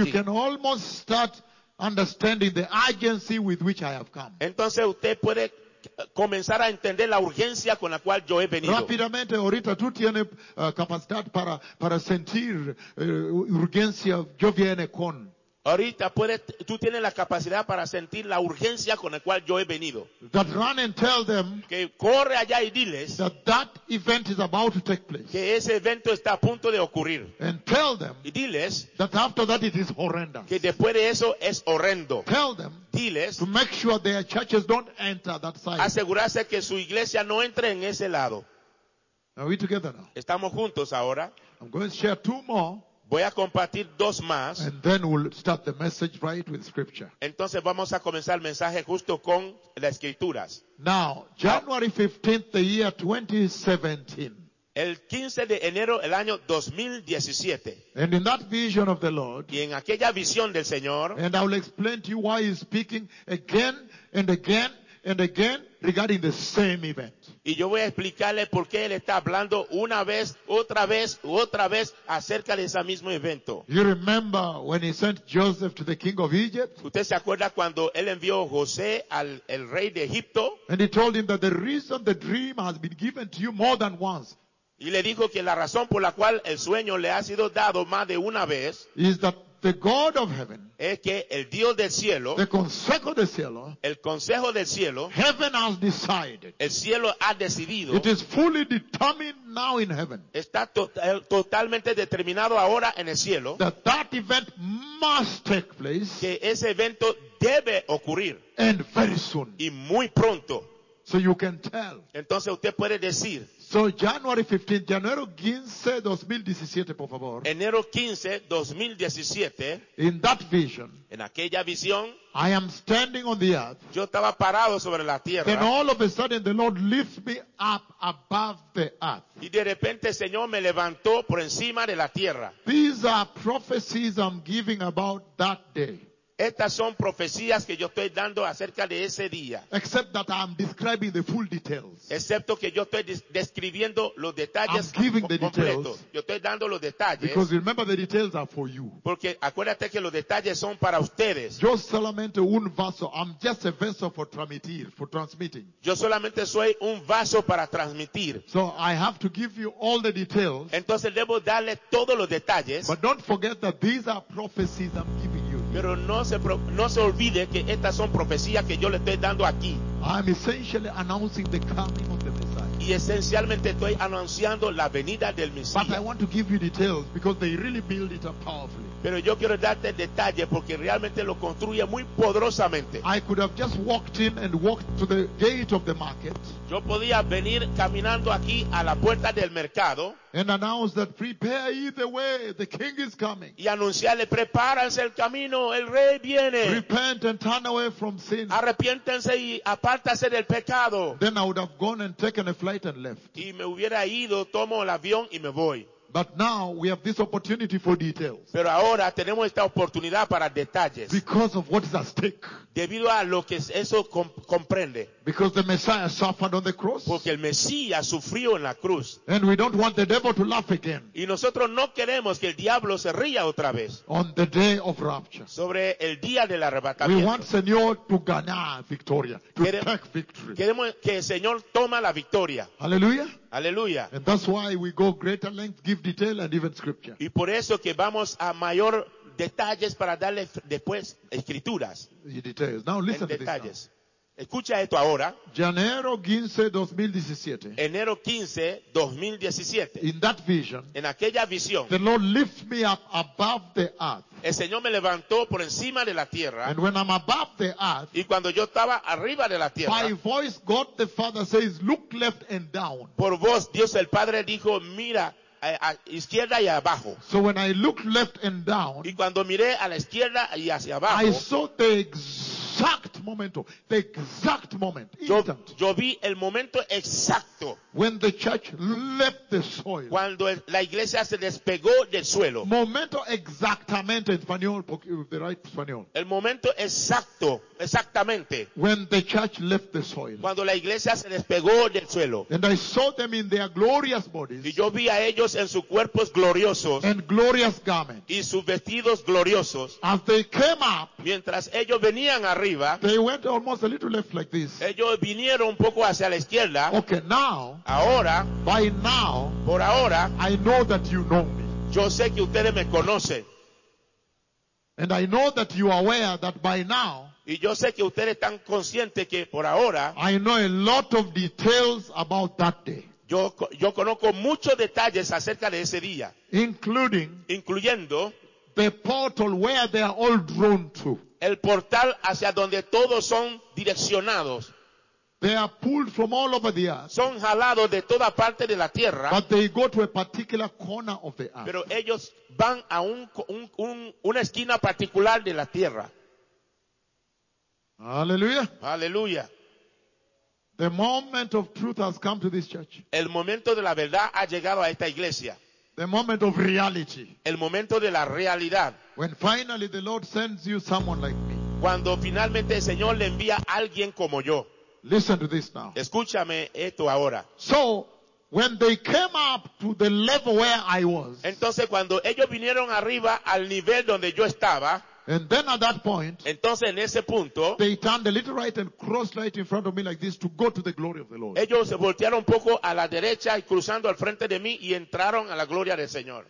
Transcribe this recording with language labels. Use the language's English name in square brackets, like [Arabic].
[English] So you can almost start understanding the urgency with which I have come. [Spanish] Entonces usted puede comenzar a entender la urgencia con la cual yo he venido. Rápidamente, ahorita tú tienes capacidad para sentir urgencia. Yo viene con. Ahorita puedes, tú tienes la capacidad para sentir la urgencia con la cual yo he venido. [English] That run and tell them [Spanish] que corre allá y diles [English] that that event is about to take place. [Spanish] Que ese evento está a punto de ocurrir. [English] And tell them [Spanish] y diles [English] that after that it is horrendous. [Spanish] Que después de eso es horrendo. [English] Tell them [Spanish] diles [English] to make sure their churches don't enter that side. [Spanish] Asegurarse que su iglesia no entre en ese lado. [English] Are we together now? [Spanish] Estamos juntos ahora. [English] I'm going to share two more. [Spanish] Voy a compartir dos más. [English] And then we'll start the message right with scripture. [Spanish] Entonces vamos a comenzar el mensaje justo con las escrituras. [English] Now, January 15th, the year 2017. [Spanish] El 15 de enero, el año 2017. [English] And in that vision of the Lord. [Spanish] Y en aquella visión del Señor. [English] And I will explain to you why he's speaking again and again and again regarding the same event. [Spanish] Y yo voy a explicarle por qué él está hablando una vez, otra vez, otra vez acerca de ese mismo evento. [English] You remember when he sent Joseph to the king of Egypt? [Spanish] ¿Usted se acuerda cuando él envió a José al el rey de Egipto? [English] And he told him that the reason the dream has been given to you more than once. [Spanish] Y le dijo que la razón por la cual el sueño le ha sido dado más de una vez [English] is that the God of heaven, [Spanish] es que el Dios del cielo, the consejo del cielo, el consejo del cielo, [English] heaven has decided, [Spanish] el cielo ha decidido, [English] it is fully determined now in heaven, [Spanish] está totalmente determinado ahora en el cielo, [English] that event must take place, [Spanish] que ese evento debe ocurrir, [English] and very soon, [Spanish] y muy pronto, [English] so you can tell, [Spanish] entonces usted puede decir. [English] So January 15th, January 15, 2017, [Spanish] por favor. Enero 15, 2017. [English] In that vision. [Spanish] En aquella visión. [English] I am standing on the earth. [Spanish] Yo estaba parado sobre la tierra. [English] Then all of a sudden the Lord lifts me up above the earth. [Spanish] Y de repente el Señor me levantó por encima de la tierra. [English] These are prophecies I'm giving about that day. [Spanish] Estas son profecías que yo estoy dando acerca de ese día. [English] Except that I'm describing the full details. [Spanish] Excepto que yo estoy describiendo los detalles. [English] I'm giving the details. [Spanish] Yo estoy dando los detalles. [English] Because remember the details are for you. [Spanish] Porque acuérdate que los detalles son para ustedes. Yo solamente un vaso. [English] I'm just a vessel for transmitting. For transmitting. [Spanish] Yo solamente soy un vaso para transmitir. [English] So I have to give you all the details. [Spanish] Entonces debo darle todos los detalles. [English] But don't forget that these are prophecies I'm giving. [Spanish] Pero no se olvide que estas son profecías que yo le estoy dando aquí. [English] I'm essentially announcing the coming of the Messiah. [Spanish] Y esencialmente estoy anunciando la venida del Mesías. [English] But I want to give you details because they really build it up powerfully. [Spanish] Pero yo quiero darte detalles porque realmente lo construye muy poderosamente. [English] I could have just walked in and walked to the gate of the market. [Spanish] Yo podía venir caminando aquí a la puerta del mercado. [English] And announce that prepare ye the way, the king is coming. [Spanish] Y anunciarle, prepárense el camino, el rey viene. [English] Repent and turn away from sin. [Spanish] Arrepiéntense y apártase del pecado. [English] Then I would have gone and taken a flight and left. [Spanish] Y me hubiera ido, tomo el avión y me voy. [English] But now we have this opportunity for details. [Spanish] Pero ahora tenemos esta oportunidad para detalles. [English] Because of what is at stake. [Spanish] Debido a lo que eso comprende. [English] Because the Messiah suffered on the cross. [Spanish] Porque el Mesías sufrió en la cruz. [English] And we don't want the devil to laugh again. [Spanish] Y nosotros no queremos que el diablo se ría otra vez. [English] On the day of rapture. [Spanish] Sobre el día del arrebatamiento. [English] We want Señor to [Spanish] ganar victoria. [English] To take victory. [Spanish] Queremos que el Señor toma la victoria. Hallelujah. Hallelujah. [English] And that's why we go greater length, give detail and even scripture. [Spanish] Y por eso que vamos a mayor detalles para darle después escrituras. [English] The details. Now listen to this. Now. [Spanish] Escucha esto ahora. Enero 15, 2017. Enero 15, 2017. [English] In that vision. [Spanish] En aquella visión. [English] The Lord lift me up above the earth. [Spanish] El Señor me levantó por encima de la tierra. [English] And when I'm above the earth. [Spanish] Y cuando yo estaba arriba de la tierra. [English] By voice God the Father says, look left and down. [Spanish] Por voz Dios el Padre dijo, mira a izquierda y abajo. [English] So when I looked left and down, [Spanish] y cuando miré a la izquierda y hacia abajo, [English] I saw the exact momento, the exact moment, instant. [Spanish] Yo vi el momento exacto. [English] When the church left the soil. [Spanish] Cuando la iglesia se despegó del suelo. Momento exactamente en español, [English] the right [Spanish] español. El momento exacto, exactamente. [English] When the church left the soil. [Spanish] Cuando la iglesia se despegó del suelo. [English] And I saw them in their glorious bodies. [Spanish] Y yo vi a ellos en sus cuerpos gloriosos. [English] And glorious garments. [Spanish] Y sus vestidos gloriosos. [English] As they came up. [Spanish] Mientras ellos venían arriba. [English] They went almost a little left like this. [Spanish] Ellos vinieron un poco hacia la izquierda. [English] Okay, now. [Spanish] Ahora, [English] by now, [Spanish] por ahora, [English] I know that you know me. [Spanish] Yo sé que ustedes me conocen. [English] And I know that you are aware that by now, [Spanish] y yo sé que ustedes están conscientes que por ahora, [English] I know a lot of details about that day. [Spanish] Yo conozco muchos detalles acerca de ese día, incluyendo [English] the portal where they are all drawn to. [Spanish] El portal hacia donde todos son direccionados. [English] They are pulled from all over the earth. [Spanish] Son jalados de toda parte de la tierra. [English] But they go to a particular corner of the earth. [Spanish] Pero ellos van a una esquina particular de la tierra. Aleluya. Aleluya. [English] The moment of truth has come to this church. [Spanish] El momento de la verdad ha llegado a esta iglesia. [English] The moment of reality. [Spanish] El momento de la realidad. [English] When finally the Lord sends you someone like me. [Spanish] Cuando finalmente el Señor le envía a alguien como yo. [English] Listen to this now. [Spanish] Escúchame esto ahora. [English] So, when they came up to the level where I was. [Spanish] Entonces cuando ellos vinieron arriba al nivel donde yo estaba. [English] And then at that point, [Spanish] entonces en ese punto, [English] they turned a little right and crossed right in front of me like this to go to the glory of the Lord. [Spanish] Ellos se voltearon un poco a la derecha y cruzando al frente de mí y entraron a la gloria del Señor.